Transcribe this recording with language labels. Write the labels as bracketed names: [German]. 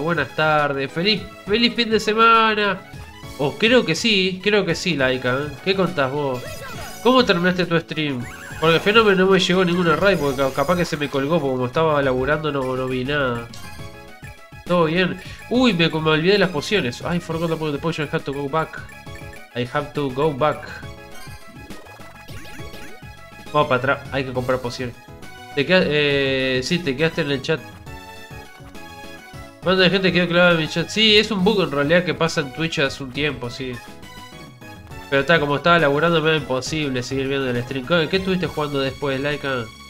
[Spanish] Buenas tardes, feliz fin de semana. Oh, creo que sí, Laika. ¿Qué contás vos? ¿Cómo terminaste tu stream? Porque el fenómeno no me llegó ninguna raid, porque capaz que se me colgó, porque como estaba laburando no vi nada. Todo bien. Uy, me olvidé de las pociones. [English] Ay, forgot about the potion, I have to go back. [Spanish] Vamos para atrás, hay que comprar poción. Te quedas, sí, te quedaste en el chat. Manda de gente que quedó clavada en mi chat. Sí, es un bug en realidad que pasa en Twitch hace un tiempo, sí. Pero está, como estaba laburando, me era imposible seguir viendo el stream. ¿Qué estuviste jugando después, Laika?